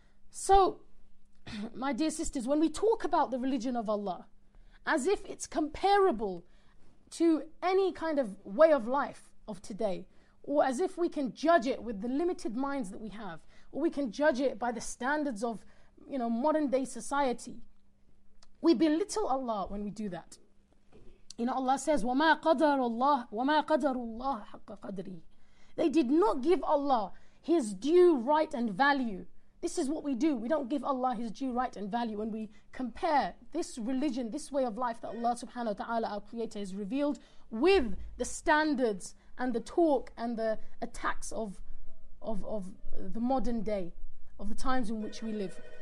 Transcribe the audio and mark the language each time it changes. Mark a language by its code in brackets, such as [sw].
[en] So, my dear sisters, when we talk about the religion of Allah as if it's comparable to any kind of way of life of today, or as if we can judge it with the limited minds that we have, or we can judge it by the standards of, you know, modern day society, we belittle Allah when we do that. You know, Allah says, [ar] وَمَا قَدَرُ اللَّهُ حَقَّ قَدْرِي. [en] They did not give Allah His due right and value. This is what we do. We don't give Allah His due right and value when we compare this religion, this way of life that Allah subhanahu wa ta'ala, our Creator, has revealed with the standards and the talk and the attacks of the modern day, of the times in which we live.